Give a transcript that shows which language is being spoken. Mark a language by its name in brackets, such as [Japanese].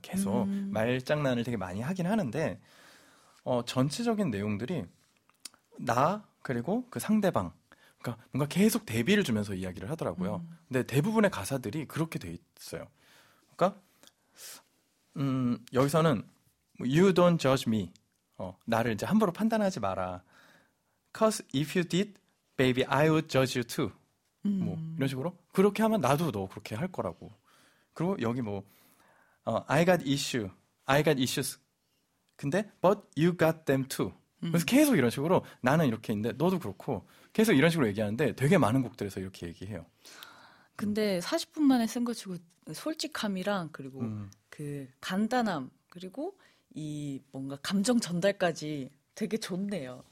[Korean] 계속 말장난을 되게 많이 하긴 하는데 전체적인 내용들이 나 그리고 그 상대방 그러니까 뭔가 계속 대비를 주면서 이야기를 하더라고요. 근데 대부분의 가사들이 그렇게 돼 있어요. 그러니까 여기서는 [English] You don't judge me [Korean] 나를 이제 함부로 판단하지 마라 [English] Cause if you did Baby, I would judge you too. [Korean] 뭐 이런 식으로 그렇게 하면 나도 너 그렇게 할 거라고. 그리고 여기 뭐 [English] I got issue, I got issues. [Korean] 근데 [English] but you got them too. [Korean] 그래서 계속 이런 식으로 나는 이렇게 있는데 너도 그렇고 계속 이런 식으로 얘기하는데 되게 많은 곡들에서 이렇게 얘기해요. 근데 40분 만에 쓴 것 치고 솔직함이랑 그리고 그 간단함 그리고 이 뭔가 감정 전달까지 되게 좋네요.